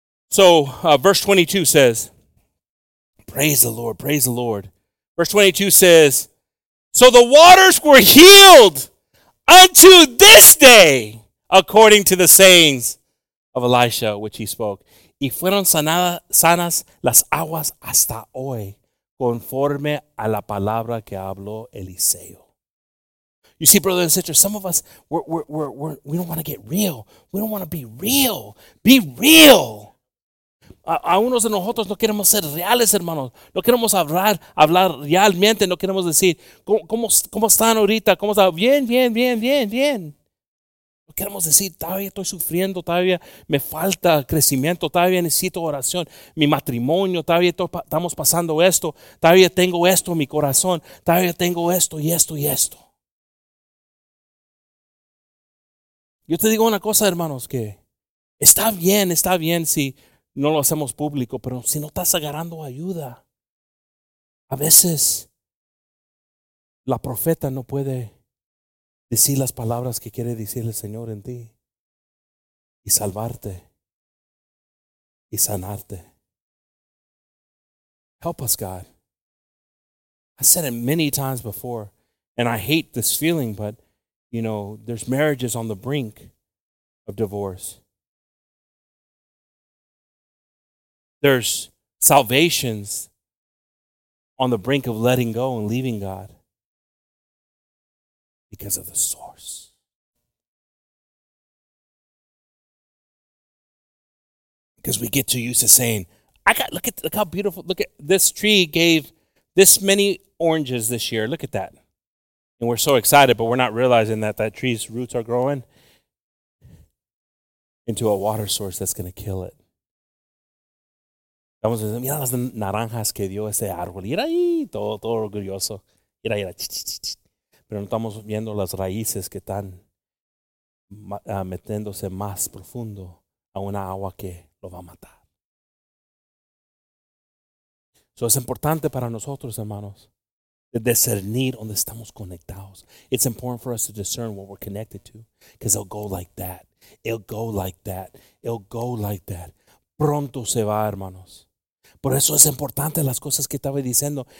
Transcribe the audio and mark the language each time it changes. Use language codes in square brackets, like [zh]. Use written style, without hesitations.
[en] So, verse 22 says, praise the Lord, praise the Lord. Verse 22 says, so the waters were healed unto this day, according to the sayings of Elisha, which he spoke. [es] Y fueron sanas las aguas hasta hoy, conforme a la palabra que habló Eliseo. [en] You see, brothers and sisters, some of us, we don't want to get real. We don't want to be real. Be real. [es] A unos de nosotros no queremos ser reales, hermanos. No queremos hablar realmente. No queremos decir, ¿cómo están ahorita? ¿Cómo están? Bien. Queremos decir, todavía estoy sufriendo, todavía me falta crecimiento, todavía necesito oración. Mi matrimonio, todavía estamos pasando esto, todavía tengo esto en mi corazón, todavía tengo esto y esto y esto. Yo te digo una cosa, hermanos, que está bien si no lo hacemos público, pero si no estás agarrando ayuda, a veces la profeta no puede decir las palabras que quiere decir el Señor en ti y salvarte y sanarte. [en] Help us, God. I said it many times before, and I hate this feeling, but, you know, there's marriages on the brink of divorce. There's salvations on the brink of letting go and leaving God. Because of the source. Because we get too used to saying, look how beautiful, look at this tree gave this many oranges this year. Look at that. And we're so excited, but we're not realizing that that tree's roots are growing into a water source that's going to kill it. [es] Vamos a decir, mira las naranjas que dio ese árbol. Mira ahí, todo orgulloso. Mira, mira, ch, ch, ch. Pero no estamos viendo las raíces que están metiéndose más profundo a una agua que lo va a matar. So es importante para nosotros, hermanos, de discernir donde estamos conectados. [en] It's important for us to discern what we're connected to, because it'll go like that. It'll go like that. It'll go like that. [es] Pronto se va, hermanos. [en] Por eso es importante las cosas que estaba diciendo.